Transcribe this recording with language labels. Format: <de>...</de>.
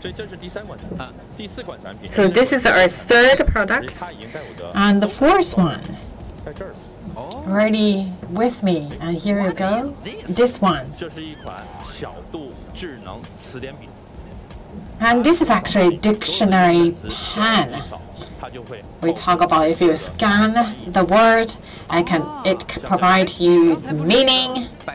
<zh>恭喜大家，获奖网友中奖名单详情请关注央视新闻客户端。恭喜大家，恭喜大家！大家，哎呀，又卡了。哎，好，下来。沙老师的演技好厉害，下来。所以这是第三款产品。</zh> <en>So this is our third product, and the fourth one.</en> <zh>在这儿。</zh> <en>Ready with me, and here you go. This one.</en> <zh>这是一款小度智能词典笔。</zh> <en>And this is actually a dictionary pen. We talk about if you scan the word, I can, it can provide you meaning.</en>